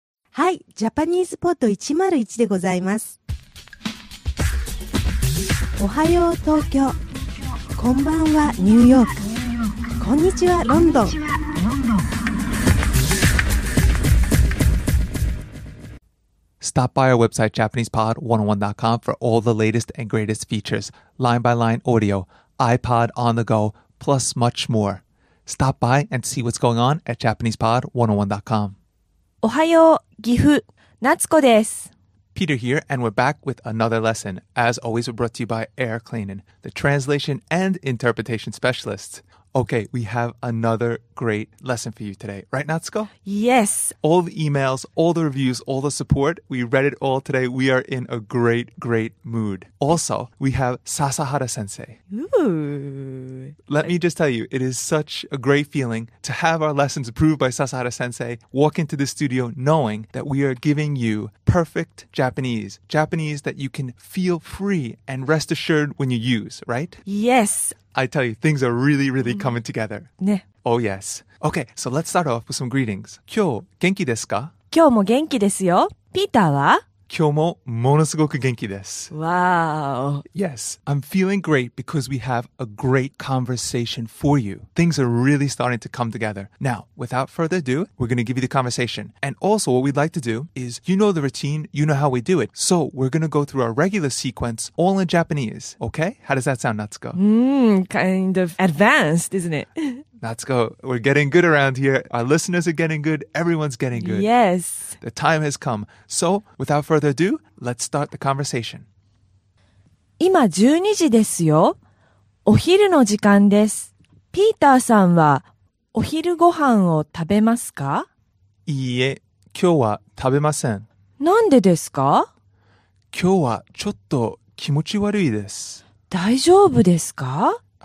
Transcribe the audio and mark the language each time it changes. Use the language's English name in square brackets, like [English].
[Japanese] はい、ジャパニーズポート101でございます。おはよう東京、こんばんはニューヨーク、こんにちはロンドン。 [English] Stop by our website JapanesePod101.com for all the latest and greatest features, line-by-line audio, iPod on the go, plus much more. Stop by and see what's going on at JapanesePod101.com. [Japanese] おはよう、岐阜、夏子です。 [English] Peter here, and we're back with another lesson. As always, we're brought to you by Air Cleaning, the translation and interpretation specialists. Okay, we have another great lesson for you today. Right, Natsuko? Yes. All the emails, all the reviews, all the support, we read it all today. We are in a great, great mood. Also, we have Sasahara-sensei. Ooh. Let me just tell you, it is such a great feeling to have our lessons approved by Sasahara-sensei, walk into the studio knowing that we are giving you perfect Japanese, Japanese that you can feel free and rest assured when you use, right? Yes. I tell you, things are really, really coming together. ね。 Oh, yes. Okay, so let's start off with some greetings. [Japanese] 今日、元気ですか？今日も元気ですよ。ピーターは？今日もものすごく元気です。 Wow. [English] Yes, I'm feeling great because we have a great conversation for you. Things are really starting to come together. Now, without further ado, we're going to give you the conversation. And also, what we'd like to do is, you know the routine, you know how we do it. So, we're going to go through our regular sequence all in Japanese, okay? How does that sound, Natsuko? Kind of advanced, isn't it? Natsuko, we're getting good around here. Our listeners are getting good. Everyone's getting good. Yes. The time has come. So, without further ado, let's start the conversation. [Japanese] 今12時ですよ。お昼の時間です。ピーターさんはお昼ご飯を食べますか？いいえ、今日は食べません。なんでですか？今日はちょっと気持ち悪いです。大丈夫ですか？